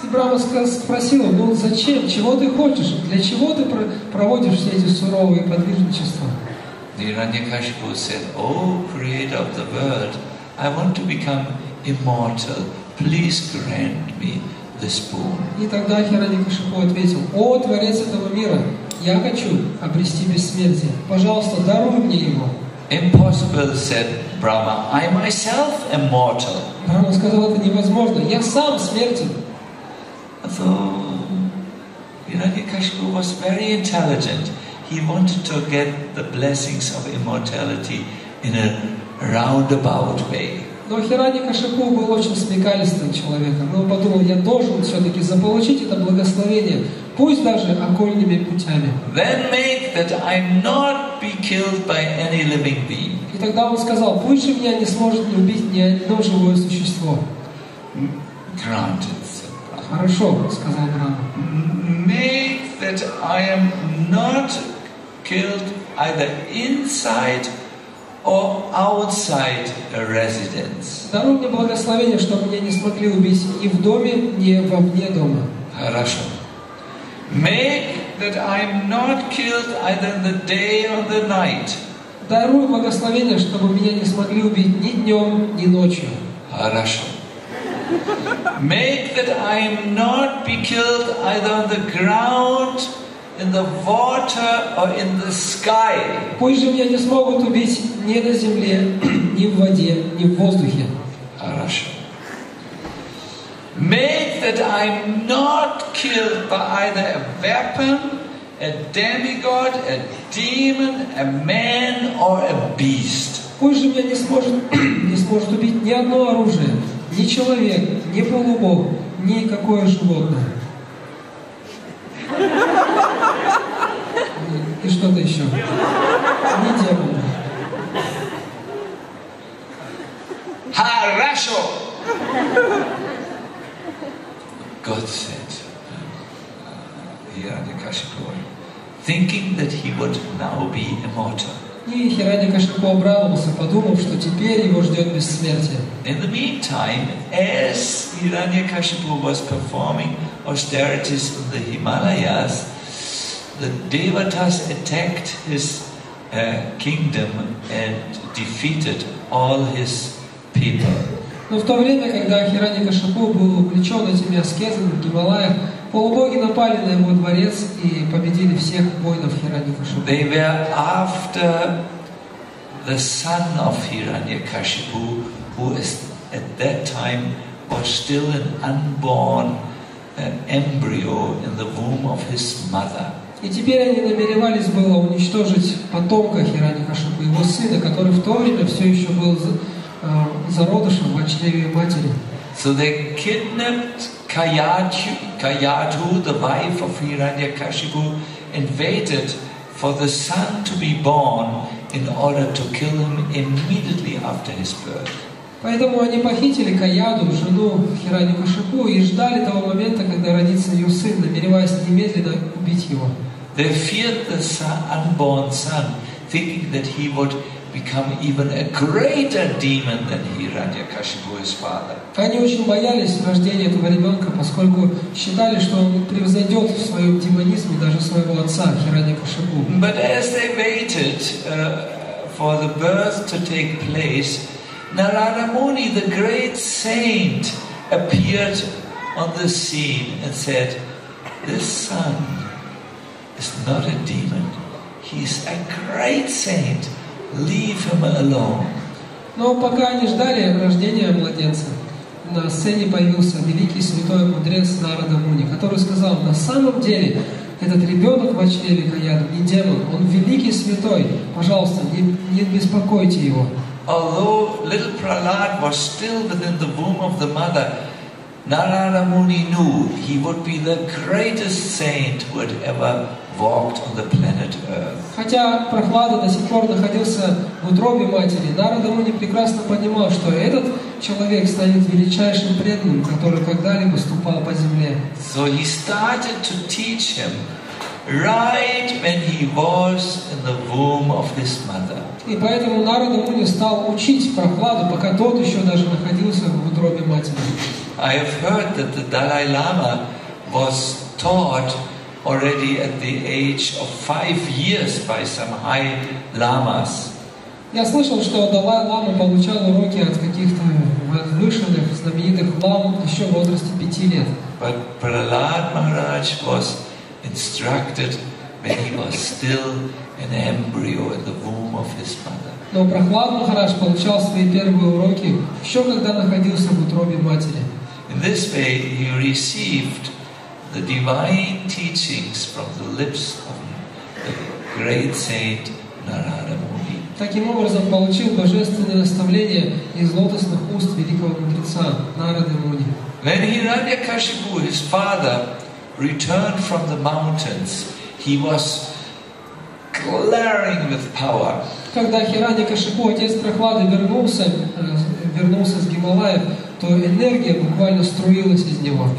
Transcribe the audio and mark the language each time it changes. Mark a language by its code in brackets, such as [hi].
[ru] И Брама спросил, ну зачем, чего ты хочешь, для чего ты проводишь все эти суровые подвижничества? [en] Хираньякашипу said, oh, creator of the world, I want to become immortal, please grant me this boon. [ru] И тогда Хираньякашипу ответил, о, творец этого мира, я хочу обрести бессмертие, пожалуйста, даруй мне его. [en] Impossible, said Brahma, I myself am mortal. [ru] Брама сказал, это невозможно, я сам смертен. [en] So, Hiranyakashipu was very intelligent. He wanted to get the blessings of immortality in a roundabout way. [ru] Но Хираньякашипу был очень смекалистым человеком. Он подумал, я должен все-таки заполучить это благословение, пусть даже окольными путями. [en] Then make that I not be killed by any living being. [ru] И тогда он сказал, пусть же меня не сможет не убить ни одно живое существо. [en] Granted. [ru] Хорошо, сказал Брама. [en] Make that I am not killed either inside or outside a residence. [ru] Даруй мне благословение, чтобы меня не смогли убить ни в доме, ни вовне дома. Хорошо. [en] Make that I am not killed either in the day or the night. [ru] Даруй благословение, чтобы меня не смогли убить ни днем, ни ночью. Хорошо. [en] Make that I am not be killed either on the ground, in the water, or in the sky. [ru] Пусть же меня не смогут убить ни на земле, ни в воде, ни в воздухе. Хорошо. [en] Make that I am not killed by either a weapon, a demigod, a demon, a man, or a beast. [ru] Пусть же меня не сможет убить ни одно оружие, ни человек, ни полубог, ни какое животное. И что-то еще. Ни демон. Хорошо! [en] God said, Hiranyakashipu, thinking that he would now be immortal. [ru] И Хираньякашипу обрадовался, подумав, что теперь его ждет бессмертие. [en] In the meantime, as Hiranyakashipu was performing austerities in the Himalayas, the devatas attacked his kingdom and defeated all his people. [ru] Но в то время, когда Хирани Кашапу был увлечен этими аскезами в Гималаях, полубоги напали на его дворец и победили всех воинов Хирани Кашапу. [en] They were after the son of Hirani Kashipu, who is at that time was still an unborn embryo in the womb of his mother. [ru] И теперь они намеревались было уничтожить потомка Хирани Кашапу, его сына, который в то время все еще был зародышем в чреве матери. [en] So they kidnapped Kayatu, the wife of Hiranyakashipu, and waited for the son to be born in order to kill him immediately after his birth. [ru] Поэтому они похитили Каяду, жену Хиранякашипу, и ждали того момента, когда родится ее сын, намереваясь немедленно убить его. [en] They feared the unborn son, thinking that he would become even a greater demon than Hiranyakashipu, his father. [ru] Они очень боялись рождения этого ребенка, поскольку считали, что он превзойдет в своем демонизме даже своего отца Хиранякашипу. [en] But as they waited for the birth to take place, Narada Muni, the great saint, appeared on the scene and said, "This son is not a demon. He's a great saint. Leave him alone." [ru] Но пока они ждали рождения младенца, на сцене появился великий святой мудрец Нарада Муни, который сказал: "На самом деле, этот ребенок в чреве Каяды не демон. Он великий святой. Пожалуйста, не беспокойте его." [en] Although little Prahlad was still within the womb of the mother, Narada Muni knew he would be the greatest saint who had ever walked on the planet Earth. [ru] Хотя Прохлада до сих пор находился в утробе матери, Нарада Муни прекрасно понимал, что этот человек станет величайшим преданным, который когда-либо ступал по земле. [en] So he started to teach him right when he was in the womb of his mother. [ru] И поэтому Нарада Муни стал учить Прохладу, пока тот еще даже находился в утробе матери. [en] I have heard that the Dalai Lama was taught already at the age of 5 years by some high lamas. [ru] Я слышал, что Далай Лама получал уроки от каких-то возвышенных, знаменитых лам еще в возрасте 5 лет. [en] But Prahlad Maharaj was instructed when he was still an embryo in the womb of his mother. [ru] Но Прохлад Махарадж получал свои первые уроки еще когда находился в утробе матери. [en] In this way he received the divine teachings from the lips of the great saint Narada Muni. [ru] Таким образом получил божественное наставление из лотосных уст великого мудреца Нарады Муни. [en] When Hiranyakashipu, his father, returned from the mountains, he was glaring with power. [ru] Когда Хирани Кашипу, отец Прохлады, вернулся с Гималаев, то энергия буквально струилась из него.